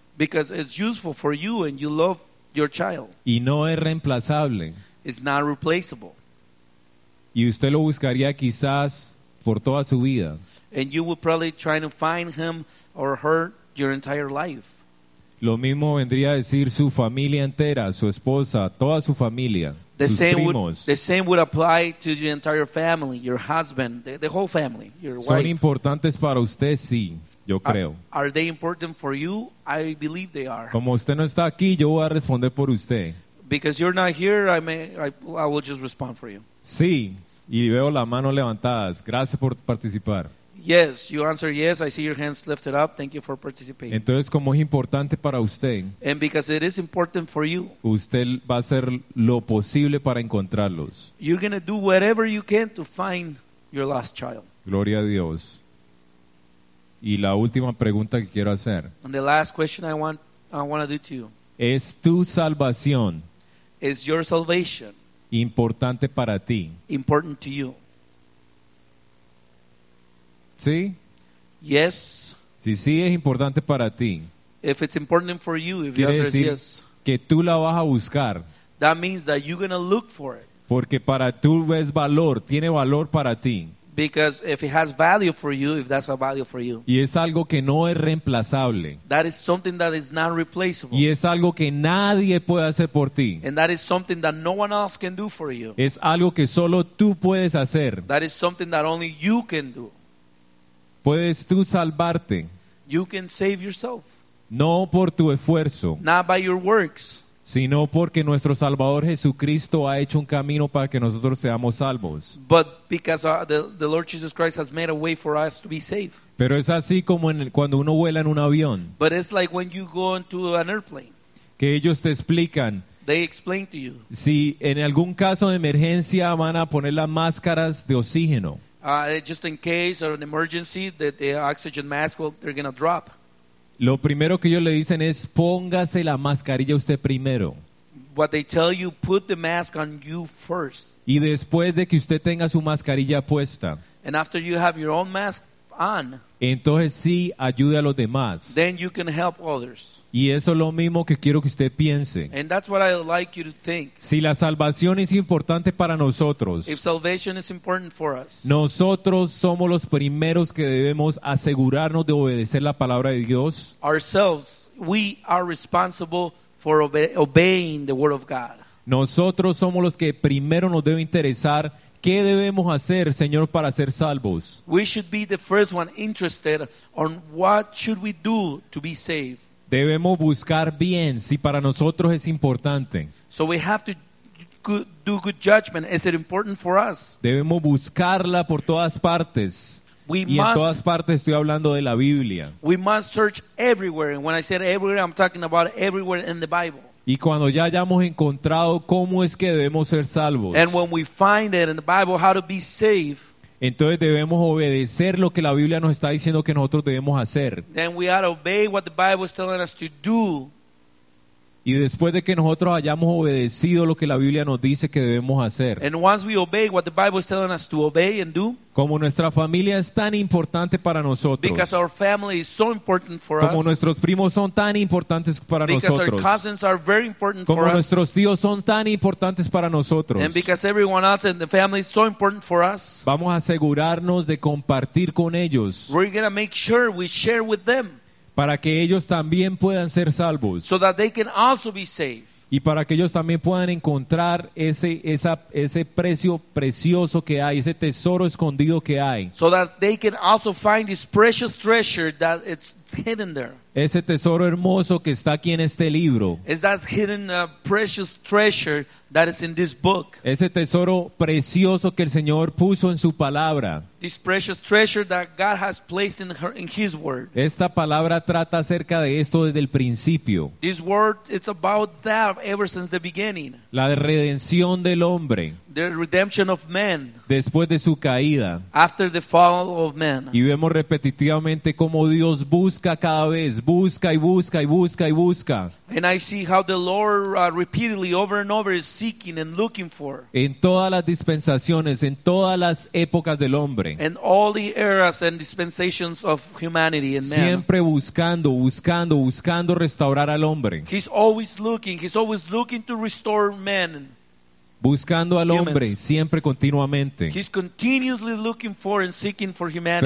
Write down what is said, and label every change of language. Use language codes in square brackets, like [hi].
[en] Because it's useful for you and you love your child. [es] Y no es reemplazable. [en] It's not replaceable. [es] Y usted lo buscaría quizás por toda su vida. [en] And you would probably try to find him or her your entire life. [es] Lo mismo vendría a decir su familia entera, su esposa, toda su familia, sus primos. [en] The same would apply to your entire family, your husband, the whole family, your son wife. [es] Son importantes para usted, sí, yo creo. [en] Are they important for you? I believe they are. [es] Como usted no está aquí, yo voy a responder por usted. [en] Because you're not here, I will just respond for you. [es] Sí, y veo las manos levantadas. Gracias por participar. [en] Yes, you answered yes. I see your hands lifted up. Thank you for participating. [es] Entonces, como es importante para usted, [en] and because it is important for you, [es] usted va a hacer lo posible para encontrarlos. [en] You're going to do whatever you can to find your last child. [es] Gloria a Dios. Y la última pregunta que quiero hacer. [en] And the last question I want to do to you. [es] ¿Es tu salvación? [en] Is your salvation [es] importante para ti? [en] Important to you. [es] ¿Sí? [en] Yes. [es] Si sí es importante para ti. [en] If it's important for you, if the answer is yes. [es] Que tú la vas a buscar. [en] That means that you're going to look for it. [es] Porque para tú ves valor, tiene valor para ti. [en] Because if it has value for you, if that's a value for you. [es] Y es algo que no es reemplazable. [en] That is something that is not replaceable. [es] Y es algo que nadie puede hacer por ti. [en] And that is something that no one else can do for you. [es] Es algo que solo tú puedes hacer. [en] That is something that only you can do. [es] Puedes tú salvarte. [en] You can save yourself. [es] No por tu esfuerzo. [en] Not by your works. [es] Sino porque nuestro Salvador Jesucristo ha hecho un camino para que nosotros seamos salvos. [en] But because the Lord Jesus Christ has made a way for us to be saved. [es] Pero es así como cuando uno vuela en un avión. [en] But it's like when you go into an airplane. [es] Que ellos te explican. [en] They explain to you. [es] Si en algún caso de emergencia van a poner las máscaras de oxígeno. [en] Just in case or an emergency, the oxygen mask, well, they're going to drop. [es] Lo primero que ellos le dicen es, póngase la mascarilla usted primero. [en] What they tell you, put the mask on you first. [es] Y después de que usted tenga su mascarilla puesta. [en] And after you have your own mask on. [es] Entonces sí, ayude a los demás. [en] Then you can help others. [es] Y eso es lo mismo que quiero que usted piense. [en] And that's what I'd like you to think. [es] Si la salvación es importante para nosotros. [en] If salvation is important for us. [es] Nosotros somos los primeros que debemos asegurarnos de obedecer la palabra de Dios. [en] Ourselves, we are responsible for obeying the word of God. [es] Nosotros somos los que primero nos debe interesar. ¿Qué debemos hacer, Señor, para ser salvos? [en] We should be the first one interested on what should we do to be saved. [es] Debemos buscar bien si para nosotros es importante. [en] So we have to do good judgment. Is it important for us? [es] Debemos buscarla por todas partes. En todas partes estoy hablando de la Biblia. [en] We must search everywhere. And when I said everywhere, I'm talking about everywhere in the Bible. [es] Y cuando ya hayamos encontrado cómo es que debemos ser salvos. [en] And when we find it in the Bible how to be saved. [es] Entonces debemos obedecer lo que la Biblia nos está diciendo que nosotros debemos hacer. [en] Then we ought to obey what the Bible is telling us to do. [es] Y después de que nosotros hayamos obedecido lo que la Biblia nos dice que debemos hacer. [en] And once we obey what the Bible is telling us to obey and do. [es] Como nuestra familia es tan importante para nosotros. [en] Because our family is so important for [es] como [en] us. [es] Como nuestros primos son tan importantes para [en] because [es] nosotros. [en] Because our cousins are very important [es] como [en] for us. [es] Como nuestros tíos son tan importantes para nosotros. [en] And because everyone else in the family is so important for us. [es] Vamos a asegurarnos de compartir con ellos. [en] We're going to make sure we share with them. [es] Para que ellos también puedan ser salvos. [en] So that they can also be saved. [es] Y para que ellos también puedan encontrar ese precio precioso que hay, ese tesoro escondido que hay. [en] So that they can also find this precious treasure that it's hidden there. [es] Ese tesoro hermoso que está aquí en este libro. [en] Is that hidden precious treasure that is in this book. [es] Ese tesoro precioso que el Señor puso en su palabra. [en] This precious treasure that God has placed in his word. [es] Esta palabra trata acerca de esto desde el principio. [en] This word, it's about that ever since the beginning. [es] La redención del hombre. [en] The redemption of man. [es] Después de su caída. [en] After the fall of man. [es] Y vemos repetitivamente cómo Dios busca cada vez, busca y busca y busca y busca. [en] And I see how the Lord repeatedly over and over is seeking and looking for. [es] En todas las dispensaciones, en todas las épocas del hombre. [en] In all the eras and dispensations of humanity and man. [es] Siempre buscando, buscando, buscando restaurar al hombre. [en] He's always looking. He's always looking to restore man. [es] Buscando al hombre siempre continuamente. [en] He's continuously looking for and seeking for humanity.